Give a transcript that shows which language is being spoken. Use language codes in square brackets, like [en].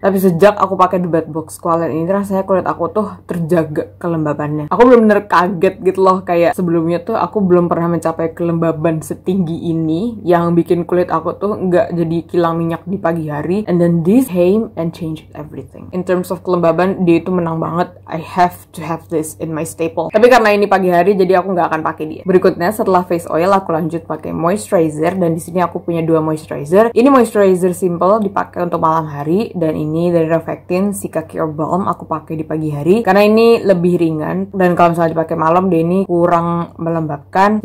[id] Tapi sejak aku pakai The Bad Box Squalane ini, rasanya kulit aku tuh terjaga kelembabannya. Aku benar-benar kaget gitu loh, kayak sebelumnya tuh aku belum pernah mencapai kelembaban setinggi ini yang bikin kulit aku tuh nggak jadi kilang minyak di pagi hari. [en] And then this came and changed everything. In terms of kelembaban, [id] dia itu menang banget. [en] I have to have this in my staple. [id] Tapi karena ini pagi hari, jadi aku nggak akan pakai dia. Berikutnya, setelah face oil, aku lanjut pakai moisturizer, dan di sini aku punya dua moisturizer. Ini moisturizer simple dipakai untuk malam hari, dan ini dari Refactin si kaki balm aku pakai di pagi hari karena ini lebih ringan dan kalau misalnya dipakai malam dia ini kurang melembabkan.